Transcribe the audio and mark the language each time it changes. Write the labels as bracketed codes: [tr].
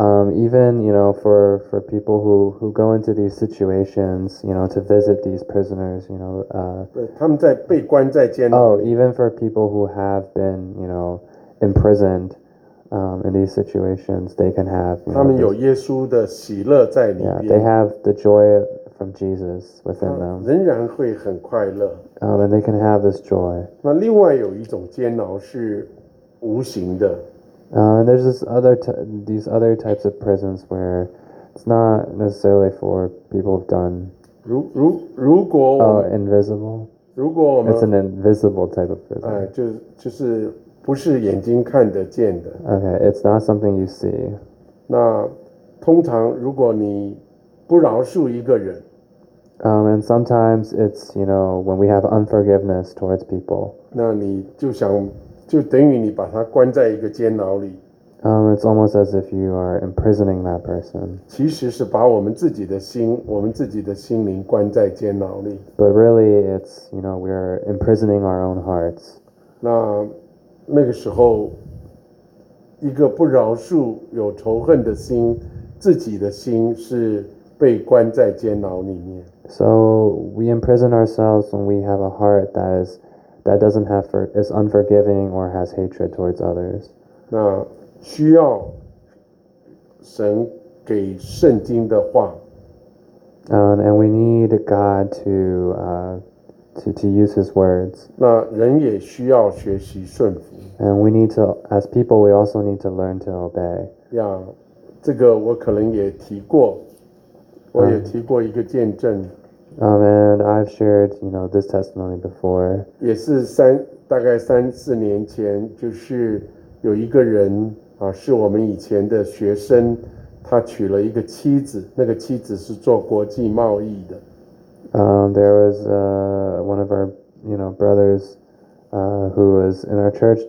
[en] Even you know, for people who go into these situations, you know, to visit these prisoners, you know, [zh] 对，他们在被关在监牢。 [en] Even for people who have been, you know, imprisoned, in these situations, they can have. [zh] 他们有耶稣的喜乐在里面。 [en] Yeah, they have the joy. From Jesus within them. [zh] 仍然会很快乐。 [en] And they can have this joy. [zh] 那另外有一种煎熬是无形的。 [en] And there's this other these other types of prisons where it's not necessarily for people who've done. [zh] 如果 [en] invisible. [zh] 如果我们 [en] it's an invisible type of prison. [zh] 就是不是眼睛看得见的。 [en] Okay, it's not something you see. [zh] 那通常如果你不饶恕一个人。 [en] And sometimes it's, you know, when we have unforgiveness towards people. [zh] 那你就想，就等于你把他关在一个监牢里。 [en] It's almost as if you are imprisoning that person. [zh] 其实是把我们自己的心，我们自己的心灵关在监牢里。 [en] But really, it's, you know, we are imprisoning our own hearts. [zh] 那个时候，一个不饶恕、有仇恨的心，自己的心是。被关在监牢里面。 [en] So we imprison ourselves when we have a heart that is unforgiving or has hatred towards others. [zh] 那需要神给圣经的话。 [en] And we need God to use His words. [zh] 那人也需要学习顺服。 [en] And we need to, as people, we also need to learn to obey. [zh] Yeah, 这个我可能也提过。我也提过一个见证。 [en] And I've shared, you know, this testimony before. [zh] 也是三大概三四年前，就是有一个人啊，是我们以前的学生，他娶了一个妻子，那个妻子是做国际贸易的。 [en] There was one of our, you know, brothers, who was in our church.